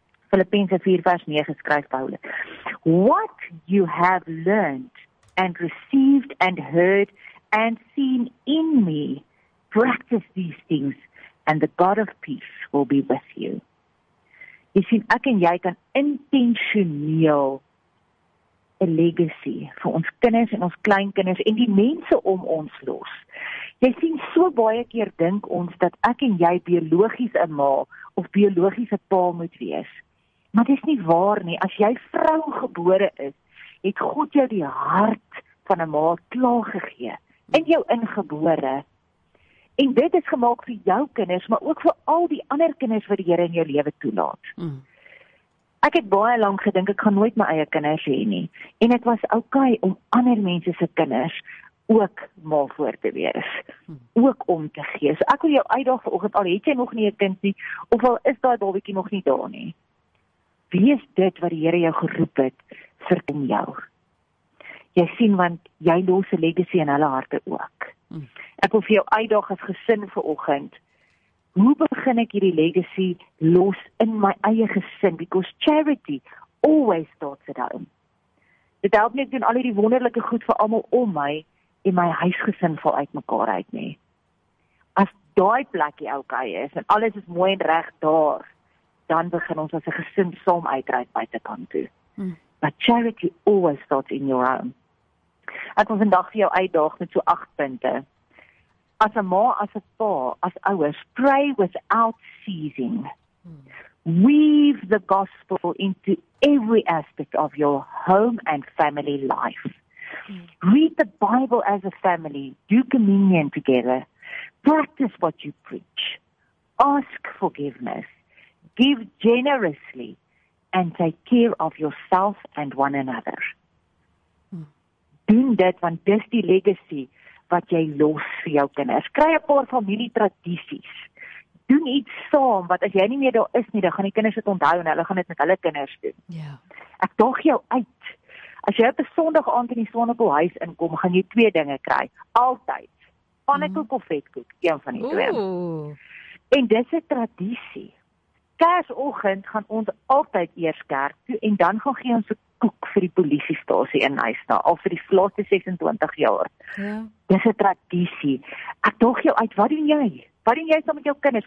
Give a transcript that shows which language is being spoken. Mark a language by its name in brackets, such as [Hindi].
[English] Philippians 4 [Afrikaans] vers 9 skryf Paulus, [English] what you have learned and received and heard and seen in me, practice these things and the God of peace will be with you. [Afrikaans] Jy sien, ek en jy kan intentioneel 'n legacy vir ons kinders en ons kleinkinders en die mense om ons los. Jy sien, so baie keer dink ons dat ek en jy biologies 'n ma of biologiese pa moet wees. Maar dis nie waar nie. As jy vrou gebore is, het God jou die hart van 'n ma klaar gegee in jou ingebore. En dit is gemaak vir jou kinders, maar ook vir al die ander kinders wat die Here in jou lewe toelaat. Ek het baie lank gedink ek gaan nooit my eie kinders hê nie. En dit was okay om ander mense se kinders ook mal voor te wees. Ook om te gee. So ek wil jou uitdaag vanoggend, al het jy nog nie 'n kind nie, of al is daai babietjie nog nie daar nie. Wees dit wat die Here jou geroep het vir om jou. Jy sien, want jy los 'n legacy in hulle harte ook. Ek wil vir jou uitdaag as gesin vanoggend. Hoe begin ek hierdie legacy los in my eie gesin? [English] Because charity always starts at home. [Afrikaans] Dit help nie doen al die wonderlike goed vir almal om my en my huisgesin val uitmekaar uit nie. As daai plekkie okay is en alles is mooi en reg daar, dan begin ons as 'n gesin saam uitry buitekant toe. [English] But charity always starts in your home. [Afrikaans] Ek wil vandag vir jou uitdaag met so 8 punte. As 'n ma, as 'n pa, as ouers, [English] pray without ceasing. Weave the gospel into every aspect of your home and family life. Read the Bible as a family. Do communion together. Practice what you preach. Ask forgiveness. Give generously. And take care of yourself and one another. [Afrikaans] Doen dit, want dis die legacy wat jy los vir jou kinders. Kry 'n paar familietradisies. Doen iets saam wat as jy nie meer daar is nie, dan gaan die kinders dit onthou en hulle gaan dit met hulle kinders doen. Ja. Ek daag jou uit. As jy op 'n Sondag aand in die Swanepoel huis inkom, gaan jy twee dinge kry. Altyd. Pannekoek of vetkoek, een van die twee. En dis 'n tradisie. Kersoggend gaan ons altyd eers kerk toe en dan gaan gee ons koek vir die polisiestasie in Huisna, al vir die laaste 26 jaar. Ja. Dis 'n tradisie. Ek daag jou uit, wat doen jy? Wat doen jy saam met jou kinders?